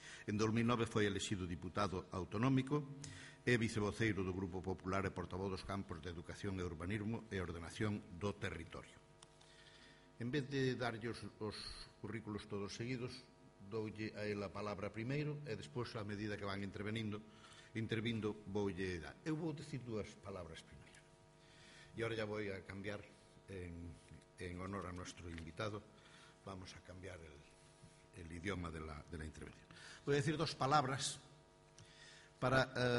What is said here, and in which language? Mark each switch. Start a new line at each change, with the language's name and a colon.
Galician: En 2009 foi elexido diputado autonómico e vicevoceiro do Grupo Popular e portavoz dos campos de Educación e Urbanismo e Ordenación do Territorio. En vez de darlle os currículos todos seguidos, doulle a ela a palabra primeiro e despois, a medida que van intervindo, voulle dar. Eu vou decir dúas palabras primeiro. E agora já vou a cambiar,
Spanish: en honor a nuestro invitado, vamos a cambiar el idioma de la intervención.
Galician: Vou decir dúas palabras para...